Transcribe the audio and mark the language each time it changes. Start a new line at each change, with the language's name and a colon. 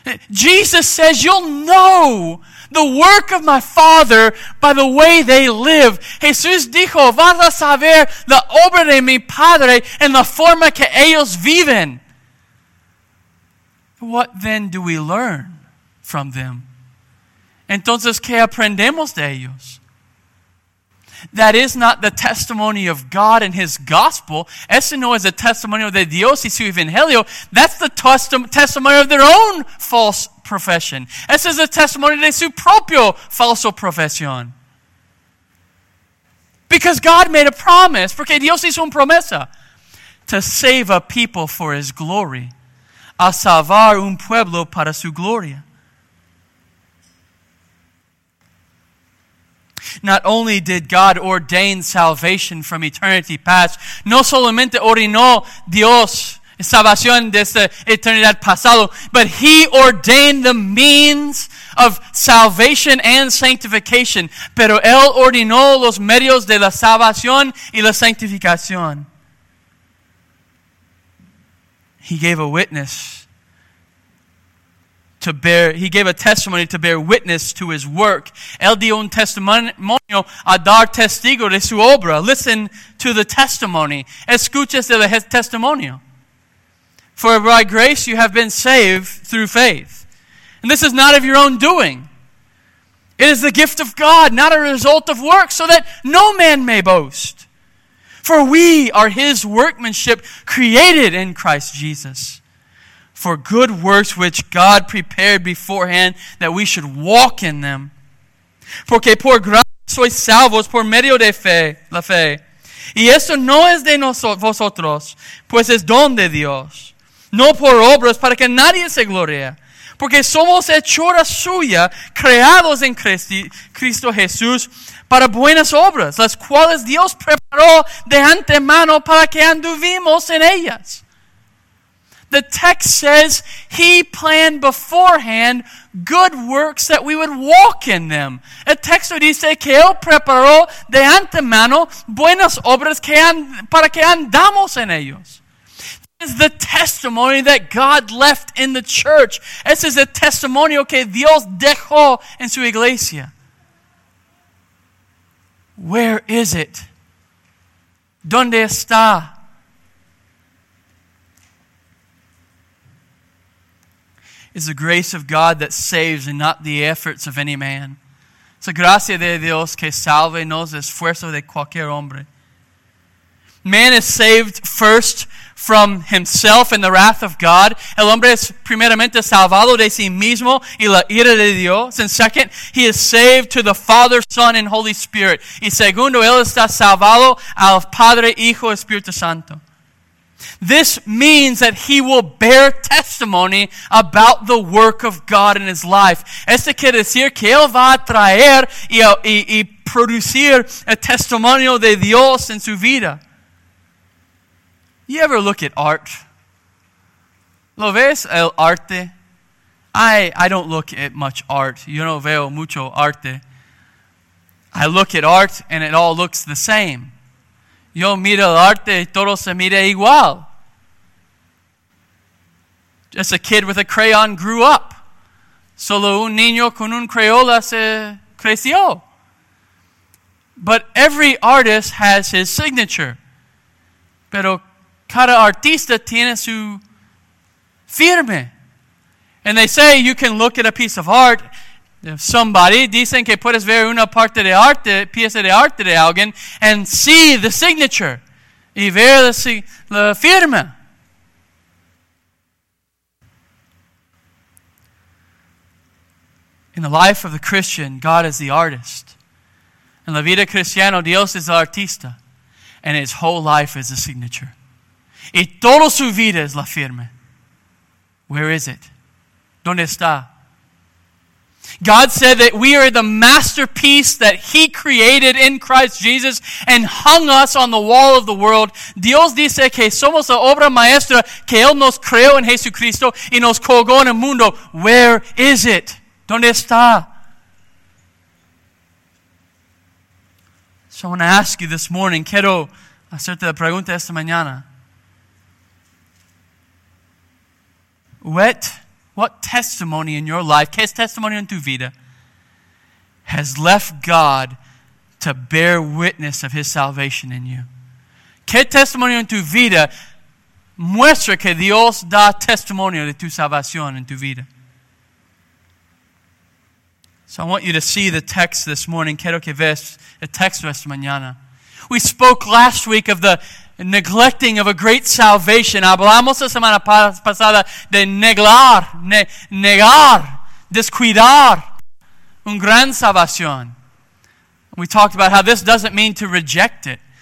English: Jesus says, you'll know the work of my Father by the way they live.
Spanish: Jesús dijo, vas a saber la obra de mi Padre en la forma que ellos viven.
English: What then do we learn from them?
Spanish: Entonces, ¿qué aprendemos de ellos?
English: That is not the testimony of God and his gospel.
Spanish: Ese no es el testimonio de Dios y su evangelio.
English: That's the testimony of their own false profession.
Spanish: Ese es el testimonio de su propio falso profesión.
English: Because God made a promise.
Spanish: Porque Dios hizo una promesa.
English: To save a people for his glory.
Spanish: A salvar un pueblo para su gloria.
English: Not only did God ordain salvation from eternity past,
Spanish: no solamente ordenó Dios salvación desde eternidad pasado,
English: but he ordained the means of salvation and sanctification.
Spanish: Pero él ordenó los medios de la salvación y la santificación.
English: He gave a witness to bear, he gave a testimony to bear witness to his work.
Spanish: Él dio un testimonio a dar testigo de su obra.
English: Listen to the testimony.
Spanish: Escuches el testimonio.
English: For by grace you have been saved through faith. And this is not of your own doing. It is the gift of God, not a result of works, so that no man may boast. For we are his workmanship, created in Christ Jesus, for good works which God prepared beforehand that we should walk in them.
Spanish: Porque por gracia sois salvos por medio de fe, la fe. Y esto no es de vosotros, pues es don de Dios. No por obras, para que nadie se gloríe. Porque somos hechura suya, creados en Cristo Jesús, para buenas obras, las cuales Dios preparó de antemano para que anduvimos en ellas.
English: The text says he planned beforehand good works that we would walk in them.
Spanish: El texto dice que él preparó de antemano buenas obras que para que andamos en ellos.
English: Is the testimony that God left in the church.
Spanish: Ese es el testimonio que Dios dejó en su iglesia.
English: Where is it?
Spanish: ¿Dónde está?
English: It's the grace of God that saves and not the efforts of any man.
Spanish: Es la gracia de Dios que salve, no es el esfuerzo de cualquier hombre.
English: Man is saved first from himself and the wrath of God.
Spanish: El hombre es primeramente salvado de sí mismo y la ira de Dios.
English: And second, he is saved to the Father, Son, and Holy Spirit.
Spanish: Y segundo, él está salvado al Padre, Hijo, Espíritu Santo.
English: This means that he will bear testimony about the work of God in his life.
Spanish: Este quiere decir que él va a traer y producir el testimonio de Dios en su vida.
English: You ever look at art?
Spanish: ¿Lo ves el arte?
English: I don't look at much art.
Spanish: Yo no veo mucho arte.
English: I look at art and it all looks the same.
Spanish: Yo miro el arte y todo se mira igual.
English: Just a kid with a crayon grew up.
Spanish: Solo un niño con un crayola se creció.
English: But every artist has his signature.
Spanish: Pero cada artista tiene su firme.
English: And they say you can look at a piece of art. If somebody,
Spanish: dicen que puedes ver una parte de arte, pieza de arte de alguien,
English: and see the signature.
Spanish: Y ver la firma.
English: In the life of the Christian, God is the artist.
Spanish: En la vida cristiana, Dios es el artista.
English: And his whole life is the signature.
Spanish: Y toda su vida es la firma.
English: Where is it?
Spanish: ¿Dónde está?
English: God said that we are the masterpiece that he created in Christ Jesus and hung us on the wall of the world.
Spanish: Dios dice que somos la obra maestra que él nos creó en Jesucristo y nos colgó en el mundo.
English: Where is it?
Spanish: ¿Dónde está?
English: So I want to ask you this morning,
Spanish: quiero hacerte la pregunta esta mañana.
English: What testimony in your life,
Spanish: qué testimonio en tu vida,
English: has left God to bear witness of his salvation in you?
Spanish: Qué testimonio en tu vida muestra que Dios da testimonio de tu salvación en tu vida?
English: So I want you to see the text this morning.
Spanish: Quiero que veas el texto esta mañana.
English: We spoke last week of the neglecting of a great salvation.
Spanish: Hablamos la semana pasada de negar, descuidar un gran salvación.
English: We talked about how this doesn't mean to reject it.